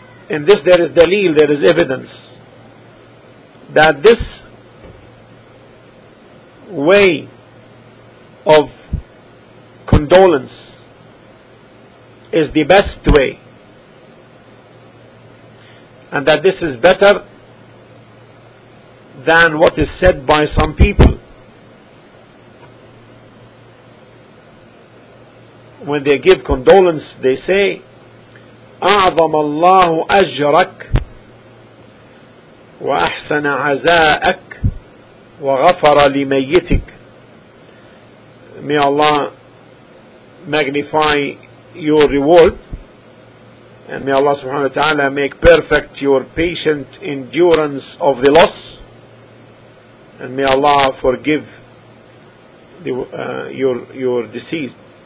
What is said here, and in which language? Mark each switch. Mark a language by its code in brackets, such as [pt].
[en] In this there is dalil, there is evidence that this way of condolence is the best way, and that this is better than what is said by some people when they give condolence. They say, [ar] أعظم الله أجرك وأحسن عزاءك وغفر لميتك. [en] May Allah magnify your reward, and may Allah subhanahu wa ta'ala make perfect your patient endurance of the loss, and may Allah forgive your deceased.